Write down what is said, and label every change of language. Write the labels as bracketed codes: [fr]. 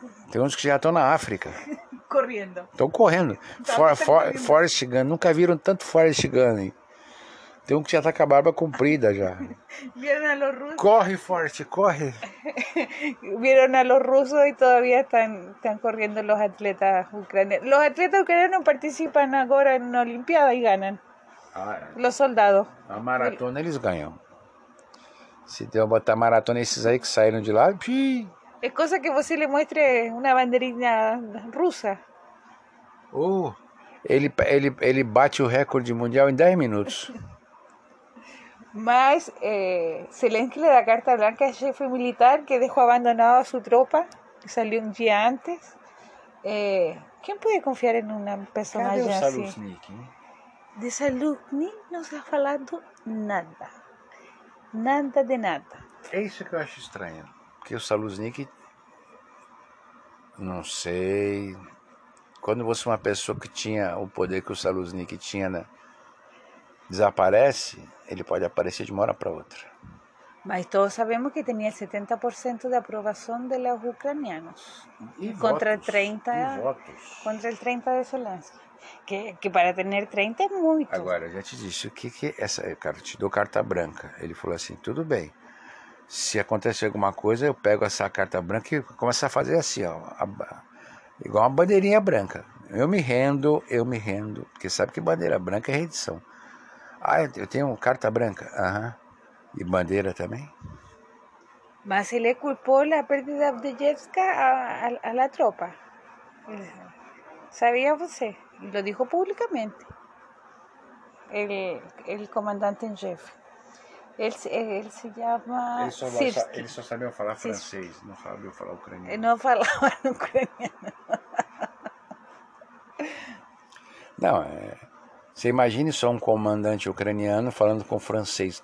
[pt] Tem uns que já estão na África. Correndo. Estão correndo. Estava até correndo. Forrest Gump. Nunca viram tanto Forrest Gump, hein? Tem um que já está com a barba comprida já. [es] Vieron a los rusos. [pt] Corre, Forrest, corre. [es] Vieron a los rusos y todavía están corriendo los atletas ucranianos. Los atletas ucranianos participan ahora en la Olimpiada y ganan. Los soldados. [pt] A maratona eles ganham. Se der uma botar maratona esses aí que saíram de lá, pi. [es] Es cosa que você le muestre una banderina rusa. [pt] Ele bate o recorde mundial em 10 minutos. [es] Mas Zelensky le da carta blanca al jefe militar que dejó abandonado a su tropa, que salió un día antes. ¿Quién puede confiar en una persona [pt] Cadê o [es] ya así? [pt] Salusnik, hein? [es] De Zaluzhny no se ha hablado nada. Nada de nada. [pt] É isso que eu acho estranho. Porque o Salusnik, não sei. Quando você uma pessoa que tinha o poder que o Salusnik tinha, né, desaparece, ele pode aparecer de uma hora para outra. Mas todos sabemos que tinha 70% de aprovação [es] de los ucranianos [pt] E contra votos, e votos. 30 de Zelensky, que para ter 30 é muito. Agora, eu já te disse, o que que essa cara te dou carta branca. Ele falou assim, tudo bem. Se acontecer alguma coisa, eu pego essa carta branca e começo a fazer assim, ó, igual uma bandeirinha branca. Eu me rendo, porque sabe que bandeira branca é rendição. Ah, eu tenho carta branca. E bandeira também? [es] Mas se le culpó la pérdida de Yevska a la tropa. Sabía usted, lo dijo públicamente, el comandante en jefe. Él se llama [pt] Eles só sabiam falar francês, não sabiam falar [es] Sirsky. [pt] ucraniano. [es] No falaba ucraniano. [pt] Não, você imagine só um comandante ucraniano falando com francês.